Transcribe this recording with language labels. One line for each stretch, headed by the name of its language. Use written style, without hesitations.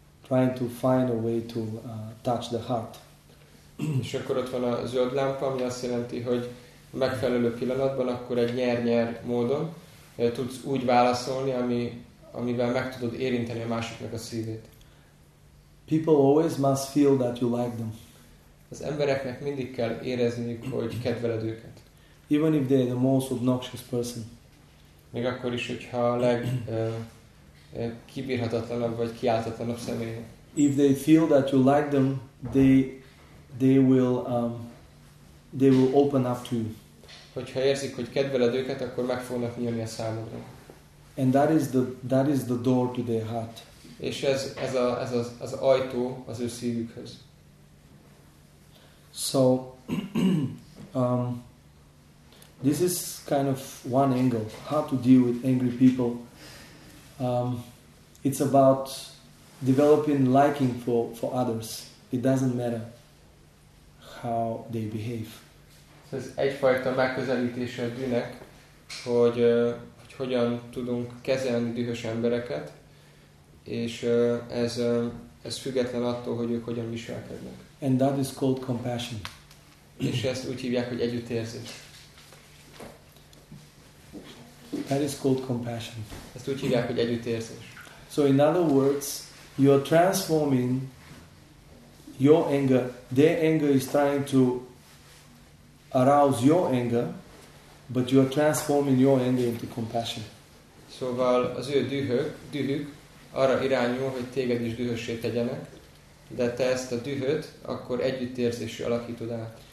English: trying to find a way to touch the heart.
Hungarian: És akkor ott van a zöld lámpa, ami azt jelenti, hogy megfelelő pillanatban akkor egy nyer-nyer módon tudsz úgy válaszolni, amivel meg tudod érinteni a másiknak a szívét.
English: People always must feel that you like them.
Hungarian: Az embereknek mindig kell érezniük, hogy kedveled őket.
English: Even if they are the most obnoxious person.
Hungarian: Még akkor is, hogyha a legkibírhatatlanabb vagy kiáltatlanabb személy.
English: If they feel that you like them, they will open up to you.
Hungarian: Hogyha érzik, hogy kedveled őket, akkor meg fognak nyílni a számodra.
English: And that is the door to their heart.
Hungarian: És ez az ajtó az ő szívükhöz.
English: So this is kind of one angle, how to deal with angry people. It's about developing liking for others. It doesn't matter how they behave.
Hungarian: So ez egyfajta megközelítése a dühnek, hogy hogyan tudunk kezelni dühös embereket, és ez független attól, hogy ők hogyan viselkednek.
English: And that is called compassion.
Hungarian: És ezt úgy hívják, hogy együttérzés.
English: That is called compassion.
Hungarian: Ezt úgy hívják, hogy együttérzés.
English: So in other words, you are transforming your anger. Their anger is trying to arouse your anger, but you are transforming your anger into compassion.
Hungarian: Szóval az ő dühük arra irányul, hogy téged is dühössé tegyenek. De te ezt a dühöt, akkor együttérzésű alakítod át.